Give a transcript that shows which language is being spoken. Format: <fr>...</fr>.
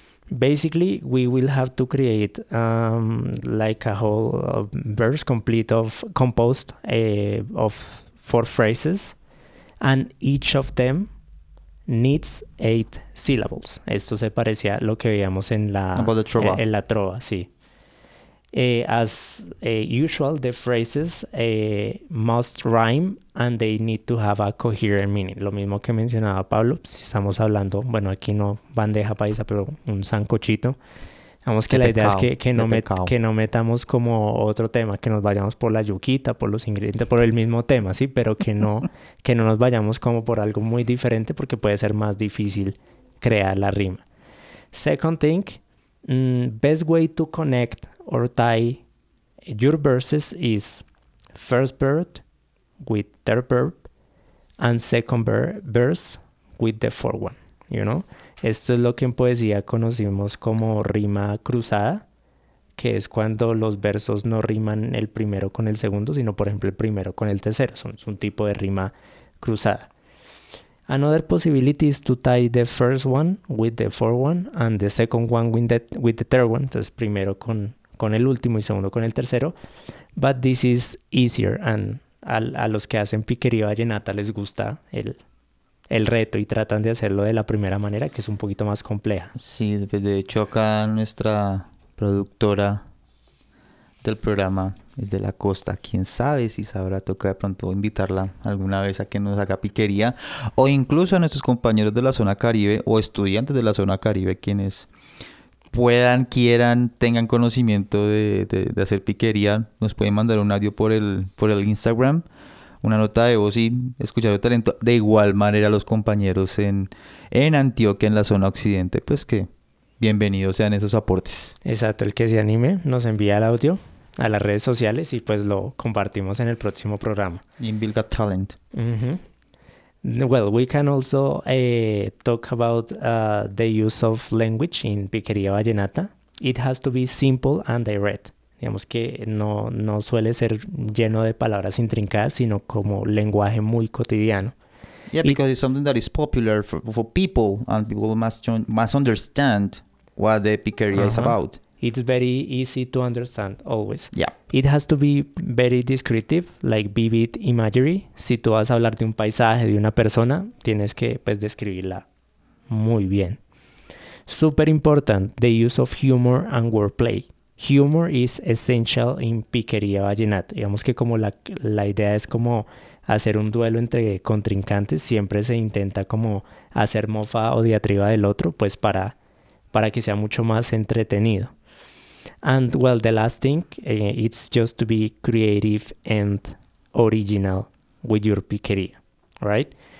<en>Basically, we will have to create like a whole verse complete of composed of four phrases, and each of them needs 8 syllables.</en> <es>Esto se parecía a lo que veíamos en la trova. En la trova, sí.</es> <en>As usual, the phrases must rhyme and they need to have a coherent meaning.</en> <es>Lo mismo que mencionaba Pablo, si estamos hablando, bueno, aquí no bandeja paisa, pero un sancochito. Digamos que la idea es que no metamos como otro tema, que nos vayamos por la yuquita, por los ingredientes, por el mismo tema, ¿sí? Pero que no nos vayamos como por algo muy diferente porque puede ser más difícil crear la rima.</es> <en>Second thing, best way to connect or tie your verses is first verb with third verb and second verse with the fourth one, you know?</en> <es>Esto es lo que en poesía conocimos como rima cruzada, que es cuando los versos no riman el primero con el segundo, sino por ejemplo el primero con el tercero. Es un tipo de rima cruzada.</es> <en>Another possibility is to tie the first one with the fourth one and the second one with the third one.</en> <es>Entonces primero con el último y segundo con el tercero.</es> <en>But this is easier and</en> <es>a los que hacen piquería vallenata les gusta el reto y tratan de hacerlo de la primera manera, que es un poquito más compleja. Sí, de hecho acá nuestra productora del programa es de la costa. ¿Quién sabe si sabrá? Toca de pronto invitarla alguna vez a que nos haga piquería. O incluso a nuestros compañeros de la zona Caribe o estudiantes de la zona Caribe, quienes puedan, quieran, tengan conocimiento de hacer piquería, nos pueden mandar un audio por el Instagram, una nota de voz y escuchar el talento. De igual manera los compañeros en Antioquia, en la zona occidente, pues que bienvenidos sean esos aportes. Exacto, el que se anime nos envía el audio a las redes sociales y pues lo compartimos en el próximo programa.</es> <en>Inbuilt Got Talent. Uh-huh. Well, we can also talk about the use of language in piquería vallenata. It has to be simple and direct.</en> <es>Digamos que no suele ser lleno de palabras intrincadas, sino como lenguaje muy cotidiano.</es> <en>Yeah, because it's something that is popular for people and people must understand what the piquería is about. It's very easy to understand always. Yeah. It has to be very descriptive, like vivid imagery.</en> <es>Si tú vas a hablar de un paisaje, de una persona, tienes que pues describirla muy bien.</es> <en>Super important, the use of humor and wordplay. Humor is essential in piquería vallenata.</en> <es>Digamos que como la idea es como hacer un duelo entre contrincantes, siempre se intenta como hacer mofa o diatriba del otro, pues para que sea mucho más entretenido.</es> <en>And well, the last thing, it's just to be creative and original with your piquería, right?</en>